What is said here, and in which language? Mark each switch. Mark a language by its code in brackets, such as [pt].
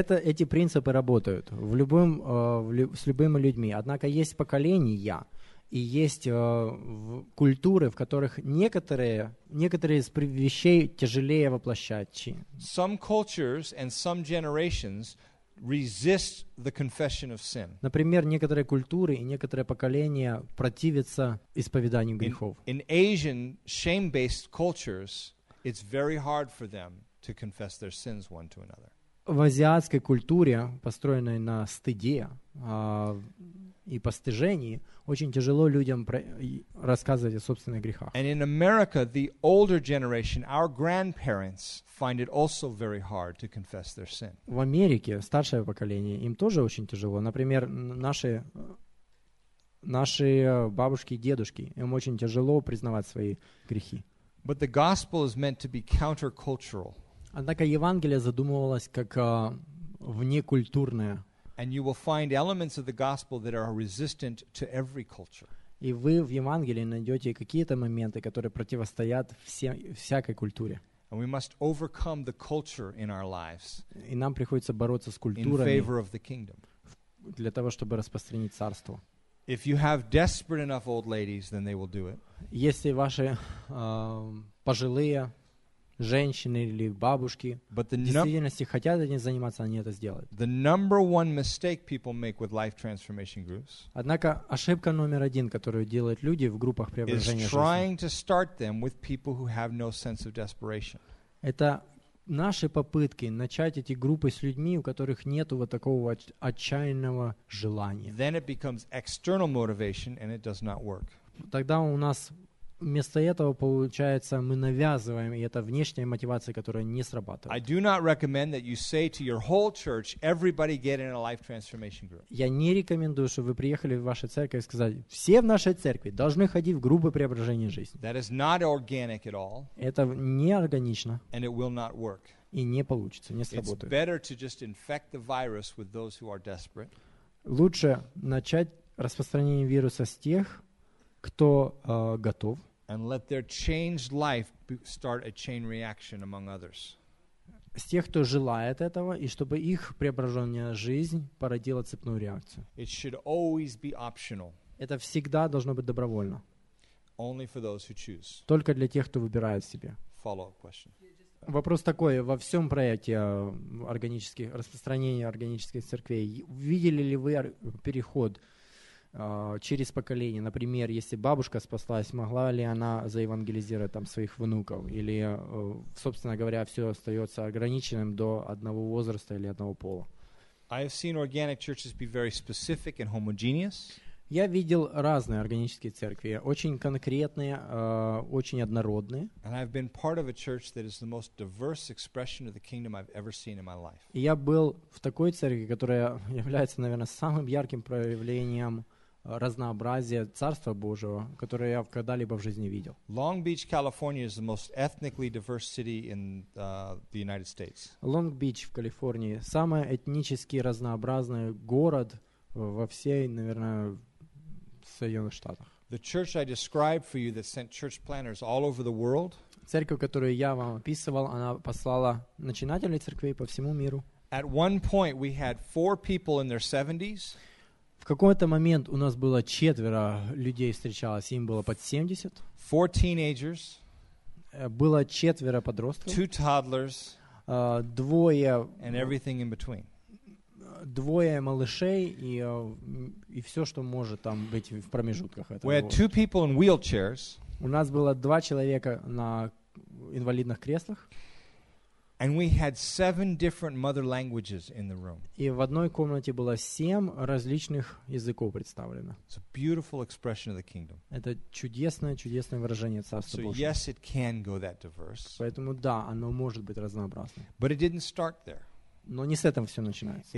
[ru] Эти принципы работают с любыми людьми. Однако есть поколения и есть культуры, в которых некоторые из вещей тяжелее воплощать. [en] Some cultures and some generations resist the confession of sin. [ru] Например, некоторые культуры и некоторые поколения противятся исповеданию грехов. [en] In Asian shame-based cultures, it's very hard for them to confess their sins one to another. [ru] В азиатской культуре, построенной на стыде и постыжении, очень тяжело людям рассказывать о собственных грехах. [en] And in America, the older generation, our grandparents, find it also very hard to confess their sin. [ru] В Америке старшее поколение, им тоже очень тяжело. Например, наши бабушки и дедушки, им очень тяжело признавать свои грехи. [en] But the gospel is meant to be countercultural. [ru] Однако Евангелие задумывалось как внекультурное. [en] And you will find elements of the gospel that are resistant to every culture. [ru] И вы в Евангелии найдете какие-то моменты, которые противостоят всякой культуре. [en] And we must overcome the culture in our lives. [ru] И нам приходится бороться с культурами. [en] In favor of the kingdom. [ru] Для того, чтобы распространить царство. [en] If you have desperate enough old ladies, then they will do it. [ru] Если ваши пожилые женщины или бабушки действительно хотят этим заниматься, они это сделают. [en] The number one mistake people make with life transformation groups. [ru] Однако ошибка номер один, которую делают люди в группах преображения жизни. [en] Is trying to start them with people who have no sense of desperation. [ru] Это наши попытки начать эти группы с людьми, у которых нету вот такого отчаянного желания. [en] Then it becomes external motivation and it does not work. [ru] Тогда у нас вместо этого получается, мы навязываем, и это внешняя мотивация, которая не срабатывает. [en] I do not recommend that you say to your whole church, everybody get in a life transformation group. [ru] Я не рекомендую, чтобы вы приехали в вашу церковь и сказали, все в нашей церкви должны ходить в группы преображения жизни. [en] That is not organic at all. [ru] Это не органично. [en] And it will not work. [ru] И не получится, не сработает. [en] It's better to just infect the virus with those who are desperate. [ru] Лучше начать распространение вируса с тех, кто готов. [en] And let their changed life start a chain reaction among others. [ru] С тех, кто желает этого, и чтобы их преображенная жизнь породила цепную реакцию. [en] It should always be optional. [ru] Это всегда должно быть добровольно. [en] Only for those who choose. [ru] Только для тех, кто выбирает себе. [en] Follow-up question. [ru] Вопрос такой, во всем проекте органических, распространения органических церквей, видели ли вы переход через поколение, например, если бабушка спаслась, могла ли она заевангелизировать там своих внуков? Или, собственно говоря, все остается ограниченным до одного возраста или одного пола? [en] I have seen organic churches be very specific and homogeneous. [ru] Я видел разные органические церкви, очень конкретные, очень однородные. [en] And I've been part of a church that is the most diverse expression of the kingdom I've ever seen in my life. [ru] И я был в такой церкви, которая является, наверное, самым ярким проявлением разнообразие Царства Божьего, которое я когда-либо в жизни видел. [en] Long Beach, California is the most ethnically diverse city in the United States. [ru] Long Beach в Калифорнии самый этнически разнообразный город во всей, наверное, Соединенных Штатах. [en] The church I described for you that sent church planners all over the world. [ru] Церковь, которую я вам описывал, она послала начинателей церквей по всему миру. [en] At one point we had four people in their 70s. [ru] В какой-то момент у нас было четверо людей встречалось, им было под 70. [en] Four teenagers. [ru] Было четверо подростков. [en] Two toddlers. [ru] Двое. [en] And everything in between. [ru] Двое малышей и все, что может там быть в промежутках этого. [en] We had two people in wheelchairs. [ru] У нас было два человека на инвалидных креслах. [en] And we had seven different mother languages in the room. [ru] И в одной комнате было семь различных языков представлено. [en] It's a beautiful expression of the kingdom. [ru] Это чудесное, чудесное выражение Царства Божьего. [en] So yes, it can go that diverse. [ru] Поэтому да, оно может быть разнообразным. [en] But it didn't start there. [ru] Но не с этого все начинается.